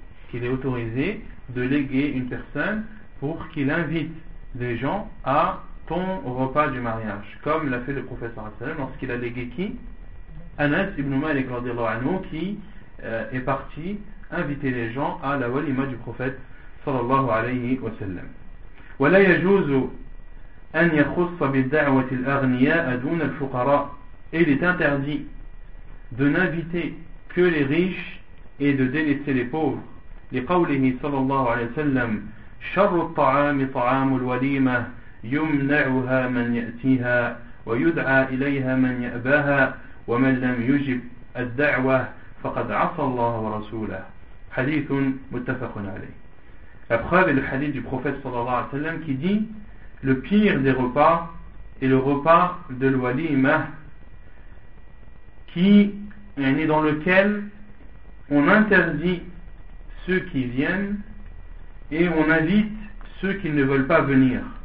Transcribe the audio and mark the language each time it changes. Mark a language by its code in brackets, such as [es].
[fr] Qu'il est autorisé de léguer une personne pour qu'il invite des gens à son repas du mariage, comme l'a fait le prophète sallallahu alayhi wa sallam lorsqu'il a légué qui? Anas ibn Malik radiallahu anhu, qui est parti inviter les gens à la walima du prophète sallallahu alayhi wa sallam. [ar] ولا يجوز أن يخص بالدعوة الأغنياء دون الفقراء. [fr] Il est interdit de n'inviter que les riches et de délaisser les pauvres. [ar] لقوله صلى الله عليه وسلم شر الطعام طعام الوليمة يمنعها من يأتيها ويدعى إليها من يأباها ومن لم يجب الدعوة فقد عصى الله ورسوله. حديث متفق عليه. [fr] La preuve est le hadith du prophète sallallahu alayhi wa sallam qui dit « Le pire des repas est le repas de l'walimah qui est dans lequel on interdit ceux qui viennent et on invite ceux qui ne veulent pas venir.